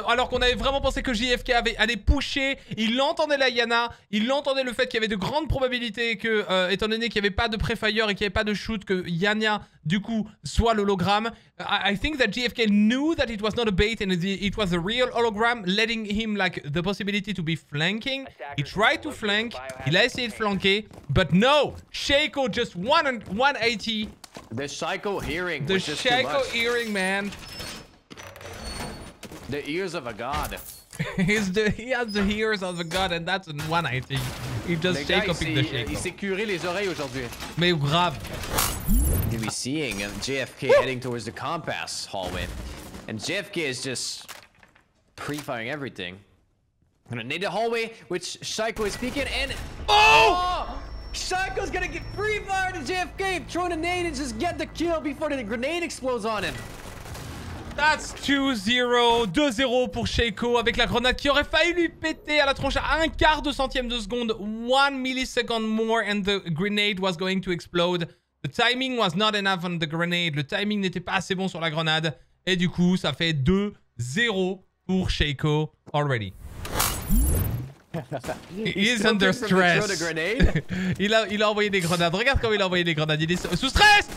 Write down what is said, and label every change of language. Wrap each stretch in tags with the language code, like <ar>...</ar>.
<fr>Alors qu'on avait vraiment pensé que JFK allait pusher. Il entendait la Yana. Il entendait le fait qu'il y avait de grandes probabilités que, étant donné qu'il n'y avait pas de pré-fire et qu'il n'y avait pas de shoot, que Yana, du coup, soit l'hologramme.</fr> <en>I think that JFK knew that it was not a bait and it was a real hologram, letting him, like, the possibility to be flanking. He tried to flank.</en> <fr>Il a essayé de flanquer.</fr> <en>But no! Shaiiko just 180. The Shaiiko hearing. The Shaiiko hearing, man. The ears of a god. he has the ears of a god, and that's a 180. He just Shaiiko picked the Shaiiko.</en> <fr>Il s'est curé les oreilles aujourd'hui. Mais grave.</fr> <en>You'll be seeing JFK heading towards the compass hallway. And JFK is just pre-firing everything. Gonna need the hallway, which Shaiiko is peeking in. Oh! Oh! Shaiiko's gonna get free fire to JFK, throwing a nade and just get the kill before the grenade explodes on him.</en> <fr>That's 2-0, 2-0 pour Shaiiko avec la grenade qui aurait failli lui péter à la tronche à un quart de centième de seconde.</fr> <en>1 millisecond more and the grenade was going to explode. The timing was not enough on the grenade.</en> <fr>Le timing n'était pas assez bon sur la grenade. Et du coup, ça fait 2-0 pour Shaiiko</fr> <en>already. He's under stress. The grenade.</en> <fr>il a envoyé des grenades. Regarde comment il a envoyé des grenades. Il est sous stress.</fr>